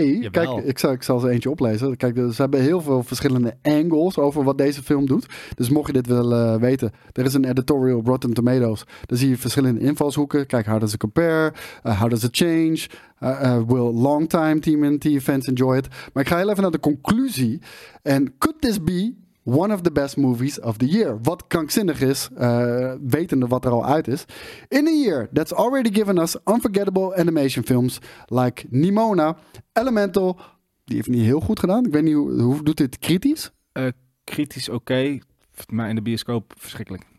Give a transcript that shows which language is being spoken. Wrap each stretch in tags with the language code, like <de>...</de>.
<nl>Kijk, ik zal ze eentje oplezen. Kijk, ze hebben heel veel verschillende angles over wat deze film doet. Dus mocht je dit willen weten, er is een editorial op Rotten Tomatoes. Daar zie je verschillende invalshoeken. Kijk,</nl> <en>how does it compare? How does it change? Will longtime TMNT fans enjoy it?</en> <nl>Maar ik ga heel even naar de conclusie.</nl> <en>And could this be one of the best movies of the year?</en> <nl>Wat krankzinnig is, wetende wat er al uit is.</nl> <en>In a year that's already given us unforgettable animation films like Nimona, Elemental.</en> <nl>Die heeft niet heel goed gedaan. Ik weet niet, hoe doet dit kritisch? Kritisch oké, maar in de bioscoop verschrikkelijk.</nl>